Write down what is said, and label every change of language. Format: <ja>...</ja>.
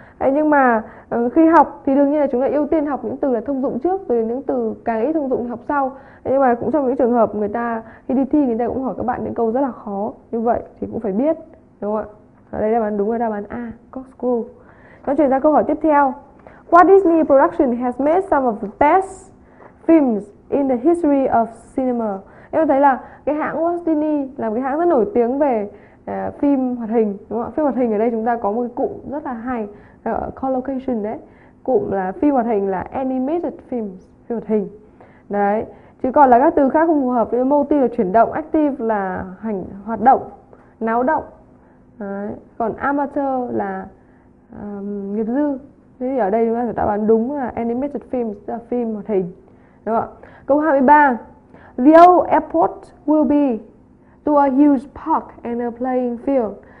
<vi>Đấy, nhưng mà khi học thì đương nhiên là chúng ta ưu tiên học những từ là thông dụng trước, rồi những từ càng ít thông dụng thì học sau. Đấy, nhưng mà cũng trong những trường hợp người ta khi đi thi người ta cũng hỏi các bạn những câu rất là khó như vậy thì cũng phải biết, đúng không ạ? Đây đáp án đúng là đáp án A, corkscrew. Nó chuyển ra câu hỏi tiếp theo.</vi> <en>What Disney production has made some of the best films in the history of cinema?</en> <vi>Em thấy là cái hãng Walt Disney là một cái hãng rất nổi tiếng về phim hoạt hình, đúng không ạ? Phim hoạt hình ở đây chúng ta có một cái cụm rất là hay, collocation đấy. Cụm là phim hoạt hình là animated films, phim hoạt hình. Đấy, chứ còn là các từ khác không phù hợp với motif là chuyển động, active là hành hoạt động, náo động. Đấy, còn amateur là nghiệp dư. Thế thì ở đây chúng ta phải đáp án đúng là animated films, là phim hoạt hình. Đúng không ạ? Câu 23.</vi> <en>The old airport will be to a huge park and a playing field.</en>